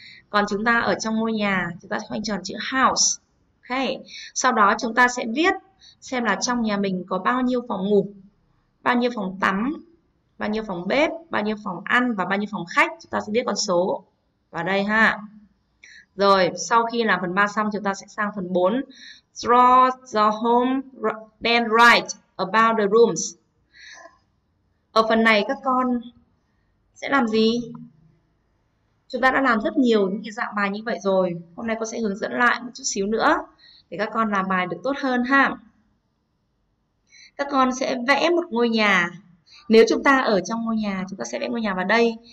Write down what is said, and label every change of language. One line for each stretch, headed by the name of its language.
Vietnamese: Còn chúng ta ở trong ngôi nhà, chúng ta sẽ khoanh tròn chữ house. Okay. Sau đó chúng ta sẽ viết xem là trong nhà mình có bao nhiêu phòng ngủ, bao nhiêu phòng tắm, bao nhiêu phòng bếp, bao nhiêu phòng ăn và bao nhiêu phòng khách. Chúng ta sẽ viết con số vào đây ha. Rồi, sau khi làm phần 3 xong, chúng ta sẽ sang phần 4.
English: Draw the home, then write about the rooms.
Vietnamese: Ở phần này các con sẽ làm gì? Chúng ta đã làm rất nhiều những cái dạng bài như vậy rồi. Hôm nay cô sẽ hướng dẫn lại một chút xíu nữa để các con làm bài được tốt hơn ha. Các con sẽ vẽ một ngôi nhà. Nếu chúng ta ở trong ngôi nhà, chúng ta sẽ vẽ ngôi nhà vào đây.